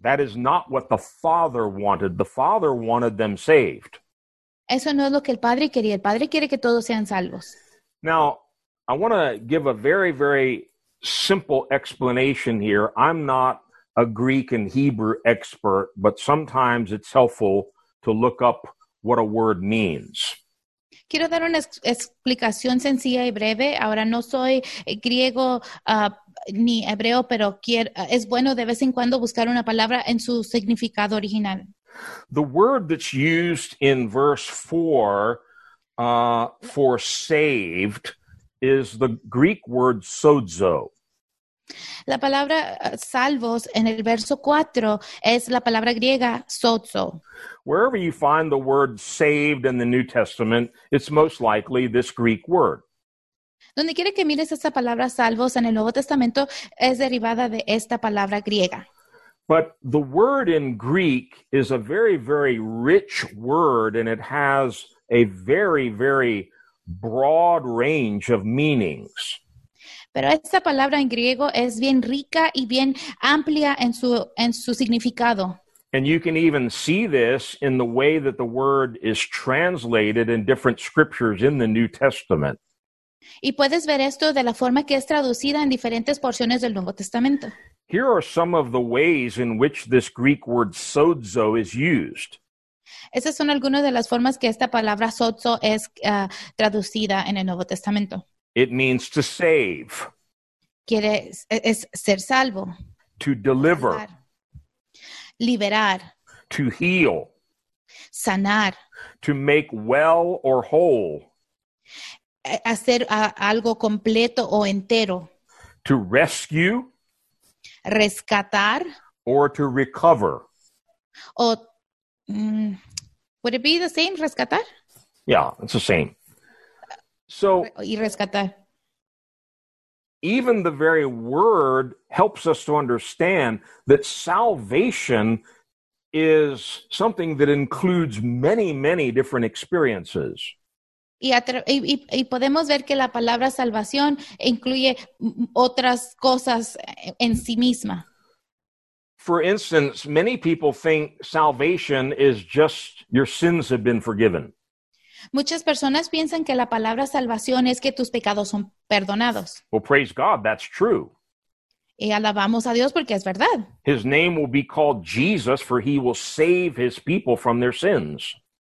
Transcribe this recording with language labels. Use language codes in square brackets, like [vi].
[en] That is not what the Father wanted. The Father wanted them saved. [es] Eso no es lo que el Padre quería. El Padre quiere que todos sean salvos. [en] Now, I want to give a very, very simple explanation here. I'm not a Greek and Hebrew expert, but sometimes it's helpful to look up what a word means. [es] Quiero dar una explicación sencilla y breve. Ahora no soy griego ni hebreo, pero es bueno de vez en cuando buscar una palabra en su significado original. [en] The word that's used in verse 4 for saved is the Greek word sozo. [es] La palabra salvos en el verso 4 es la palabra griega sozo. [en] Wherever you find the word saved in the New Testament, it's most likely this Greek word. [es] Donde quiere que mires esta palabra salvos en el Nuevo Testamento es derivada de esta palabra griega. [en] But the word in Greek is a very, very rich word, and it has a very, very broad range of meanings. [es] Pero esta palabra en griego es bien rica y bien amplia en su significado. [en] And you can even see this in the way that the word is translated in different scriptures in the New Testament. [es] Y puedes ver esto de la forma que es traducida en diferentes porciones del Nuevo Testamento. [en] Here are some of the ways in which this Greek word sozo is used. [es] Esas son algunas de las formas que esta palabra sozo es traducida en el Nuevo Testamento. [en] It means to save. [es] Quiere es ser salvo. [en] To deliver. [es] Liberar. [en] To heal. [es] Sanar. [en] To make well or whole. [es] Hacer algo completo o entero. [en] To rescue. [es] Rescatar. [en] Or to recover. O, would it be the same, rescatar? Yeah, it's the same. So, [es] y rescatar. [en] Even the very word helps us to understand that salvation is something that includes many, many different experiences. [es] Y podemos ver que la palabra salvación incluye otras cosas en sí misma. [en] For instance, many people think salvation is just your sins have been forgiven. [es] Muchas personas piensan que la palabra salvación es que tus pecados son perdonados. [en] Well, praise God, that's true. [es] Y alabamos a Dios porque es verdad. [en] His name will be called Jesus, for he will save his people from their sins.